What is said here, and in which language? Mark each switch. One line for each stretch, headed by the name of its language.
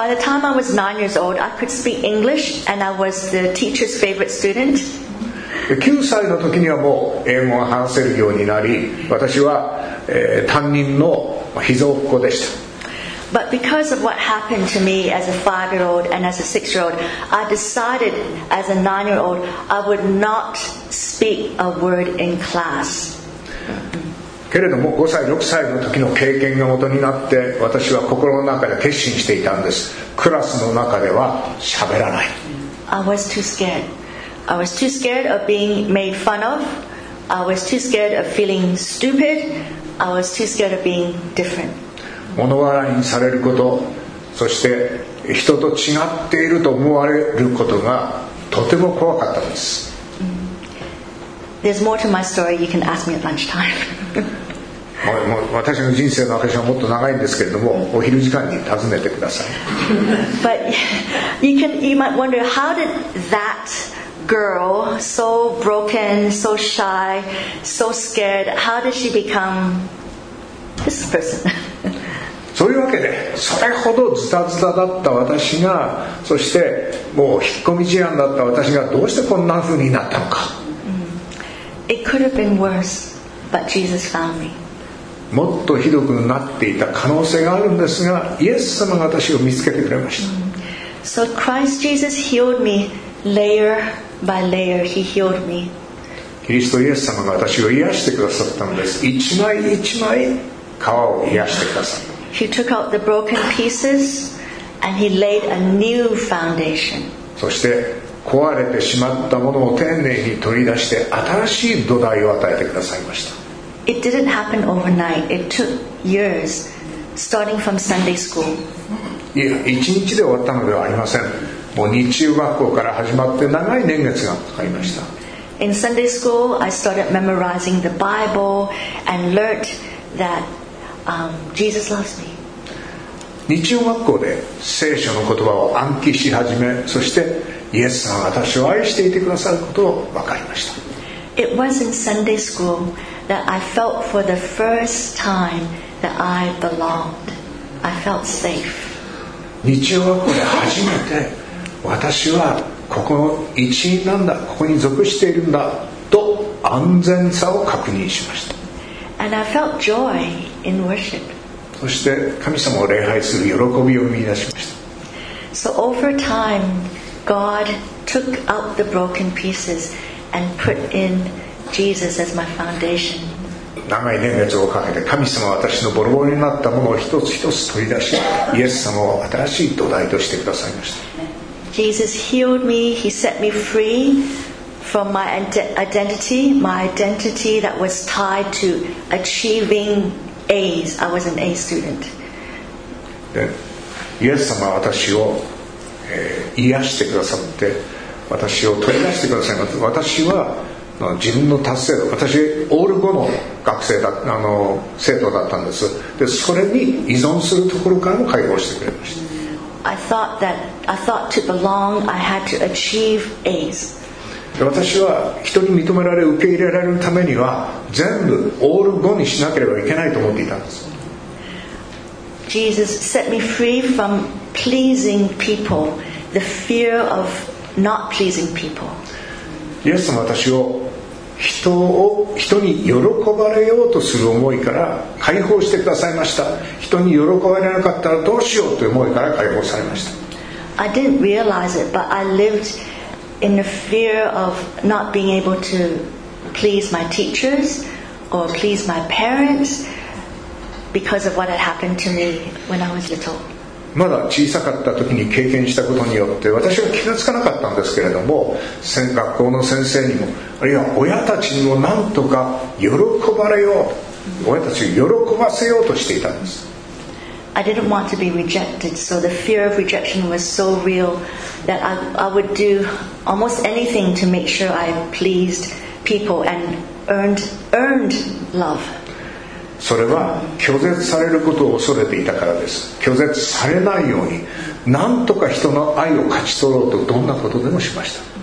English: By the time I was 9 years old, I could speak English and I was the teacher's favorite student.
Japanese: 9歳の時にはもう英語が話せるようになり、私は、担任の秘蔵っ子でした。
English: But because of what happened to me as a 5-year-old and as a 6-year-old, I decided as a 9-year-old, I would not speak a word in class.
Japanese: けれども5歳6歳の時の経験が元になって、私は心の中で決心していたんです。クラスの中では喋らない。
English: I was too scared of being made fun of. I was too scared of feeling stupid. I was too scared of being different.
Japanese: 物笑いにされること、そして人と違っていると思われることがとても怖かったんです。
English: There's more to my story. You can ask me at lunchtime.
Japanese: もう私の人生の証はもっと長いんですけれども、お昼時間に尋ねてください。
English: But you might wonder, how did that girl, so broken, so shy, so scared, how did she become this person?
Japanese: そういうわけで、それほどズタズタだった私が、そしてもう引っ込み思案だった私がどうしてこんな風になったのか。
English: It could have been worse, but Jesus found me.
Japanese: もっとひどくなっていた可能性があるんですが、イエス様が私を見つけてくれました。
English: So Christ Jesus healed me layer by layer. He healed me.
Japanese: キリストイエス様が私を癒してくださったんです。一枚一枚皮を癒してくださった。
English: He took out the broken pieces and he laid a new foundation.
Japanese: そして壊れてしまったものを丁寧に取り出して新しい土台を与えてくださいました。
English: It didn't happen overnight. It took years, starting from Sunday school.
Japanese: いや、一日で終わったのではありません。もう日中学校から始まって長い年月がかかりました。
English: In Sunday school, I started memorizing the Bible and learned that Jesus loves me.
Japanese: 日中学校で聖書の言葉を暗記し始め、そしてイエスさんは私を愛していてくださることを分かりました。
English: It was in Sunday school that I felt for the first time that I belonged. I felt safe.
Japanese: 日曜学校で初めて私はここの一員なんだ、ここに属しているんだと安全さを確認しました。
English: And I felt joy in worship.
Japanese: そして神様を礼拝する喜びを見出しました。
English: So over timeGod took out the broken pieces and put in Jesus as my foundation.
Japanese: 長い年月をかけて神様は私のボロボロになったものを一つ一つ取り出し、イエス様を新しい土台としてくださいました。
English: Jesus healed me. He set me free from my identity. My identity that was tied to achieving A's. I was an A student.
Japanese: で、イエス様は私を、癒してくださって、私を取り出してくださいます。私は自分の達成度、私オール5の学生だ、生徒だったんです。で、それに依存するところからも解放してくれました。
English: I thought that I thought to belong, I had to achieve A's.
Japanese: 私は人に認められ、受け入れられるためには全部オール5にしなければいけないと思っていたんです。
English: Jesus set me free from pleasing people, the fear of not pleasing people.
Japanese: イエス様は私を人に喜ばれようとする思いから解放してくださいました。人に喜ばれなかったらどうしようという思いから解放されました。
English: I didn't realize it, but I lived in the fear of not being able to please my teachers or please my parents because of what had happened to me when I was little.
Japanese: まだ小さかった時に経験したことによって私は気がつかなかったんですけれども、学校の先生にもあるいは親たちにもなんとか喜ばれよう、親たちを喜ばせようとしていたんです。
English: I didn't want to be rejected, so the fear of rejection was so real that I would do almost anything to make sure I pleased people and earned love.
Japanese: それは拒絶されることを恐れていたからです。拒絶されないように何とか人の愛を勝ち取ろうとどんなことでもしました。